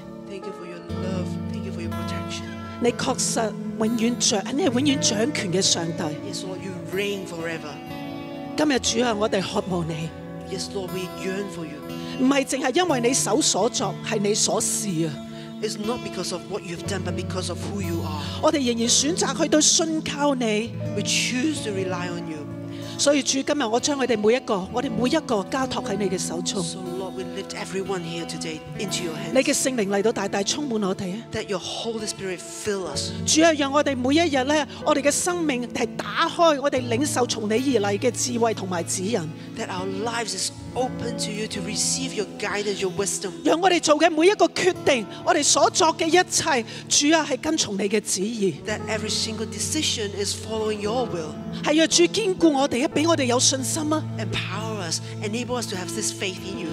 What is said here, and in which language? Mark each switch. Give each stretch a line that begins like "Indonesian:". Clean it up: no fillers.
English: Thank you for your love. Thank you for your protection.
Chinese: 你确实永远掌，你是永远掌权的上帝。
English: Yes, Lord, you reign forever.
Chinese: 今天主啊，我们渴望你。
English: Yes, Lord, we yearn for you.
Chinese: 不是只是因为你手所作，是你所事啊。
English: It's not because of what you've done, but because of who you are.
Chinese: 我们仍然选择去到信靠你。
English: We choose to rely on you.
Chinese: 所以主，今天我将我们每一个，我们每一个交托在你的手中。
English: So Lord, we lift everyone here today into your hands.
Chinese: 你的圣灵来到大大充满我们。
English: That your Holy Spirit fill us.
Chinese: 主啊，让我们每一日咧，我们的生命系打开，我们领受从你而来的智慧同埋指引。
English: That our lives is open to you to receive your guidance, your wisdom.
Chinese: 让我们做的每一个决定，我们所做的一切，主啊，是跟从你的旨意。
English: That every single decision is following your will.
Chinese: 是啊，主坚固我们，给我们有信心啊。
English: Empower us, enable us to have this faith in you.